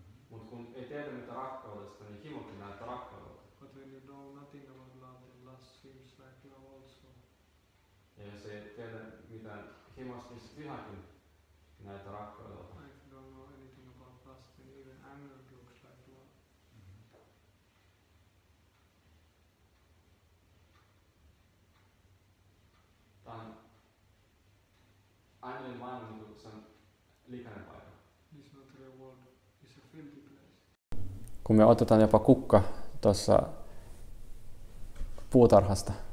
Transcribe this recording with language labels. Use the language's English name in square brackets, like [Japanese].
[Finnish] Mut kun ei tiedä mitä rakkaudesta, niin himokin näyttää rakkaudelta. [English] But when you know nothing about love, then lust seems like love also. [Finnish] Ja jos ei tiedä mitä himosta, niin sit vihakin näyttää rakkaudelta. [English] If you don't know anything about lust, then even anger looks like love. [Finnish] Tämä aineellinen maailma on sen likainen paikka. [English] This material world is a filthy place. [Finnish] Kun me otetaan jopa kukka tuossa puutarhasta.